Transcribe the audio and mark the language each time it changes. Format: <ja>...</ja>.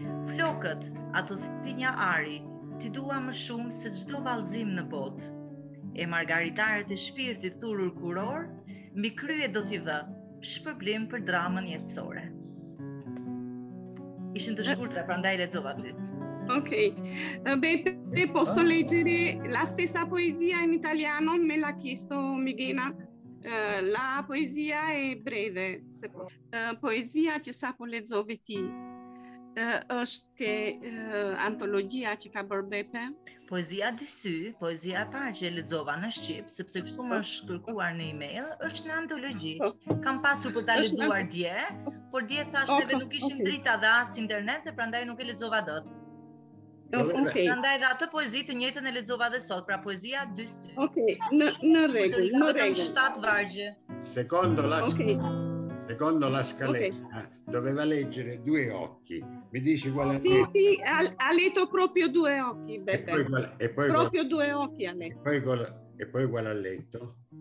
<sq>Flokët, ato stinja ari, ti dua më shumë se çdo vallëzim në botë. E margaritaret e shpirtit thurur kuror, mbi krye do t'i vë, shpërblim për dramën jetësore. Ishin të shkurtra, prandaj lexova ty.</sq> <en>Okej. Okay.</en> <it>Beppe, posso leggere la stessa poesia in italiano? Me l'ha chiesto Michela. La poesia è breve, se può. Poesia che sapo leggere ti.</it> <sq>Është ke antologjia që ka bërë Bepe? Poezia dy sy, poezia e parë që e lexova në shqip, sepse kështu më është kërkuar në email, është në antologji. Kam pasur për ta lexuar dje, por dje thashë neve nuk ishim drita dhe as internet, e prandaj nuk e lexova dot.</sq> <en>Okay.</en> <sq>Prandaj edhe atë poezi të njëjtën e lexova dhe sot, pra poezia dy sy. Okay. Në rregull, në rregull. 7 vargje.</sq> <it>Secondo la scritta. Okay. Secondo la scaletta, okay, doveva leggere due occhi. Mi dici qual è? Sì, sì, ha letto proprio due occhi, Beppe. Due occhi a me. E poi qual ha letto?</it>